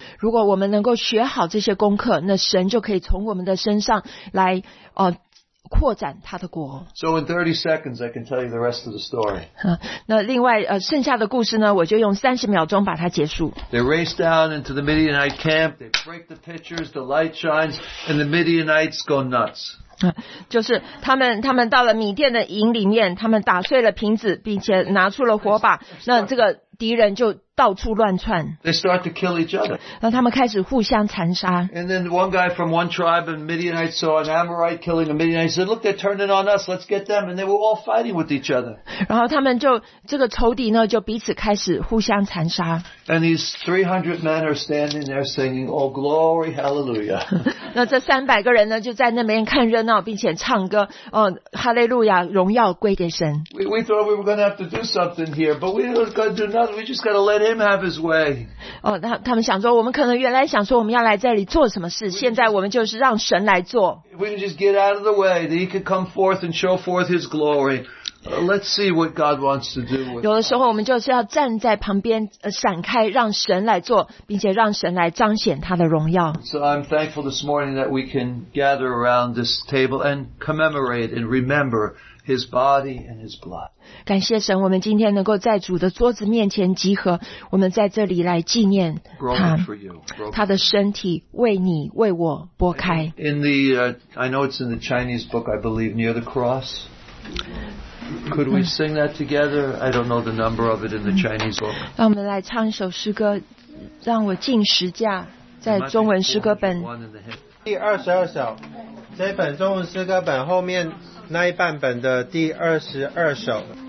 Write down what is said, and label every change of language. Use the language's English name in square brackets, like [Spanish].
[Chinese] 如果我们能够学好这些功课，那神就可以从我们的身上来扩展他的国。 [English] So in 30 seconds, I can tell you the rest of the story. [Chinese] 那另外剩下的故事呢，我就用30秒钟把它结束。 [English] They race down into the Midianite camp. They break the pitchers. The light shines, and the Midianites go nuts. [Chinese] 就是他们到了米甸的营里面，他们打碎了瓶子，并且拿出了火把。那这个敌人就到处乱窜。 [English] They start to kill each other. [Chinese] 那他们开始互相残杀。 [English] And then one guy from one tribe and Midianite saw an Amorite killing a Midianite. He said, "Look, they're turning on us. Let's get them." And they were all fighting with each other. [Chinese] 然后他们就这个仇敌呢，就彼此开始互相残杀。 [English] And these 300 men are standing there singing, "Oh glory, hallelujah." [Chinese] 那这300个人呢，就在那边看热闹，并且唱歌，哈利路亚，荣耀归给神。 [English] We thought we were going to have to do something here, but we were going to do nothing. We just got to let him have his way. [Chinese] 他们想说，我们可能原来想说我们要来这里做什么事，现在我们就是让神来做。 [English] We can just get out of the way, that he could come forth and show forth his glory. Let's see what God wants to do with. [Chinese] 有的时候我们就是要站在旁边闪开，让神来做，并且让神来彰显他的荣耀。 [English] So I'm thankful this morning that we can gather around this table and commemorate and remember His body and His blood. [Chinese] 感谢神，我们今天能够在主的桌子面前集合，我们在这里来纪念他，他的身体为你为我擘开。 [English] In the, I know it's in the Chinese book, I believe, near the cross. Could we sing that together? I don't know the number of it in the Chinese book. [Chinese] 让我们来唱一首诗歌，让我进十架，在中文诗歌本第二十二首，这本中文诗歌本后面那一半本的第二十二首。